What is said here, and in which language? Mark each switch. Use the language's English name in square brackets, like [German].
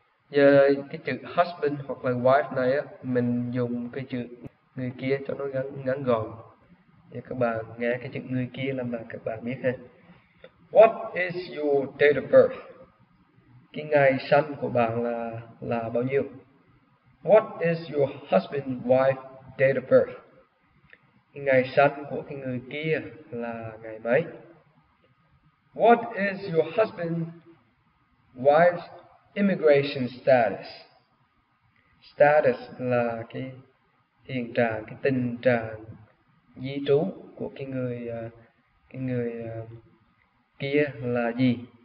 [Vietnamese] Giờ cái chữ husband hoặc là wife này á, mình dùng cái chữ người kia cho nó ngắn gọn. Thì các bạn nghe cái chữ người kia là mà các bạn biết hết. [English] What is your date of birth? [Vietnamese] Cái ngày sinh của bạn là bao nhiêu? [English] What is your husband's wife date of birth? [Vietnamese] Cái ngày sinh của cái người kia là ngày mấy? [English] What is your husband's wife's immigration status? [Vietnamese] Status là cái hiện trạng, cái tình trạng di trú của cái người kia là gì.